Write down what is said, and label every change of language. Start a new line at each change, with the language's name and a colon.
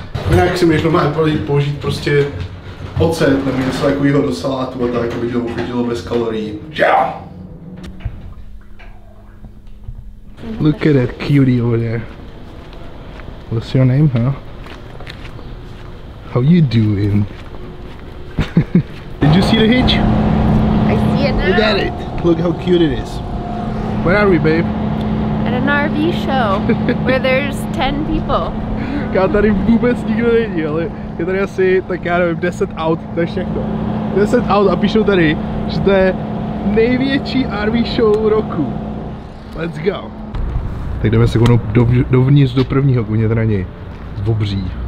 Czech: Jinak si můžeš normálně použít prostě ocet nebo něco takového do salátu a tak, aby to uchytilo bez kalorií. Čau!
English: Look at that cutie over there. What's your name, huh? How you doing? Did you see the hitch? I see it now. Look at it. Look how cute it is. Where are we, babe? At an RV show where there's 10 people.
Czech: Já tady vůbec nikdo není, ale je tady asi, tak já nevím, 10 aut, to je všechno. 10 aut a píšou tady, že to je největší RV show roku.
English: Let's go.
Czech: Tak jdeme se konou dovnitř do prvního koně, teda ani z bobří.